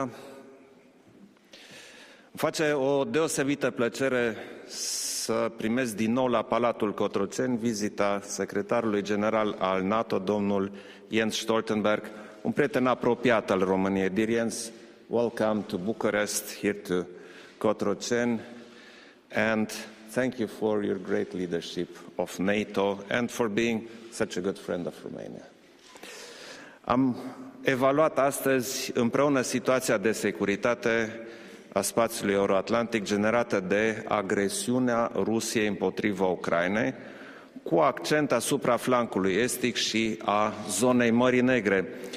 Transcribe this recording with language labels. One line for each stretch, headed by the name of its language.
Romanian: Îmi face o deosebită plăcere să primesc din nou la Palatul Cotroceni vizita secretarului general al NATO, domnul Jens Stoltenberg, un prieten apropiat al României.
English: Dear Jens, welcome to Bucharest, here to Cotroceni, and thank you for your great leadership of NATO and for being such a good friend of Romania.
Romanian: Am evaluat astăzi împreună situația de securitate a spațiului euroatlantic generată de agresiunea Rusiei împotriva Ucrainei, cu accent asupra flancului estic și a zonei Mării Negre.